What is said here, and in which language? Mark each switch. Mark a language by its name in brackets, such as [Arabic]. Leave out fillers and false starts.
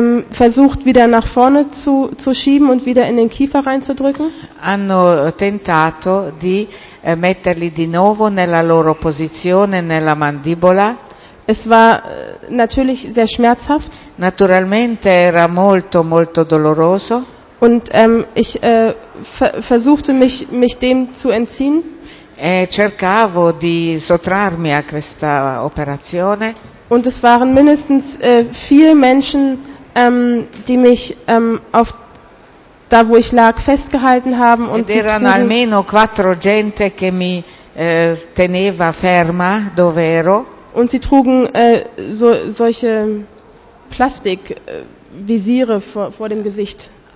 [German] versucht wieder nach vorne zu schieben und wieder in den Kiefer reinzudrücken. [Italian] Hanno tentato di metterli di nuovo nella loro posizione nella mandibola. [German] Es war natürlich sehr schmerzhaft. [Italian] Naturalmente era molto molto doloroso. [German] Und ich versuchte mich dem zu entziehen. [Italian] E cercavo di sottrarmi a questa operazione. [German] Und es waren mindestens 4 Menschen, die mich auf da wo ich lag festgehalten haben und [Italian] ed erano almeno 4 gente che mi teneva ferma dove ero. [German] Und sie trugen solche Plastik Visiere vor dem Gesicht.